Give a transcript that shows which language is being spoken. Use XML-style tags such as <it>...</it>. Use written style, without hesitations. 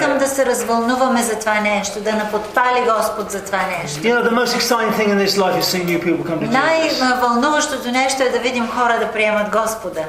<bg>Искам да се развълнуваме за това нещо, да наподпали Господ за това нещо.</bg> <en>You know, the most exciting thing in this life is seeing new people come to Jesus.</en> <bg>Най-вълнуващото нещо е да видим хора да приемат Господа.</bg>